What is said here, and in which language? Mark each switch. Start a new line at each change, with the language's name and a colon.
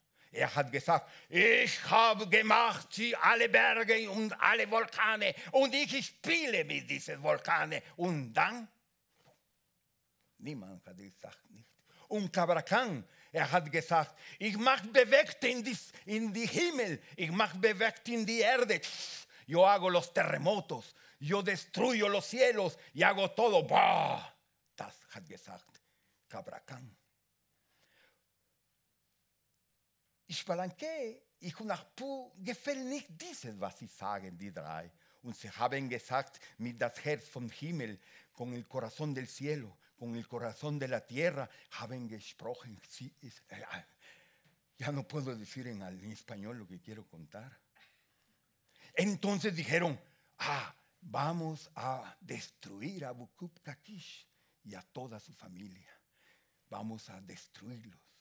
German: Er hat gesagt, ich habe gemacht alle Berge und alle Vulkane und ich spiele mit diesen Vulkanen. Und dann, niemand hat gesagt, nicht. Und Kabrakan, er hat gesagt, ich mache bewegt in die Himmel, ich mache bewegt in die Erde.
Spanish: Yo hago los terremotos. Yo destruyo los cielos y hago todo. ¡Bah!
German: Das hat gesagt Kabrakan. Ich verlange, ich und Apu gefällt nicht dieses, was sie sagen, die drei. Und sie haben gesagt, mit das Herz vom Himmel,
Spanish: con el corazón del cielo, con el corazón de la tierra,
German: haben gesprochen. Sie ist,
Spanish: ya no puedo decir en español lo que quiero contar. Entonces dijeron, vamos a destruir a Bukub Kakish y a toda su familia. Vamos a destruirlos.